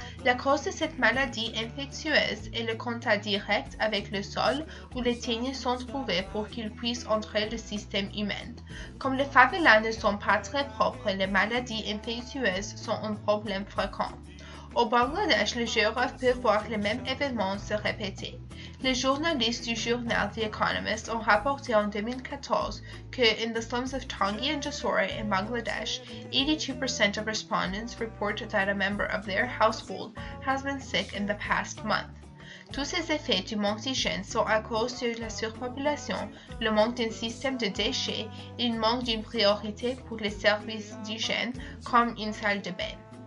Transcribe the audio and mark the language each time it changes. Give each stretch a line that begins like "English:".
French: La cause de cette maladie infectieuse est le contact direct avec le sol où les teignes sont trouvées pour qu'ils puissent entrer le système humain. Comme les favelas ne sont pas très propres, les maladies infectieuses sont un problème fréquent. Au Bangladesh, les géographes peuvent voir les mêmes événements se répéter. Les journalistes du journal The Economist ont rapporté en 2014 que,
English: in the slums of Tongji and Jessore in Bangladesh, 82% of respondents report that a member of their household has been sick in the past month.
French: Tous ces effets du manque d'hygiène sont à cause de la surpopulation, le manque d'un système de déchets et le manque d'une priorité pour les services d'hygiène comme une salle de bain.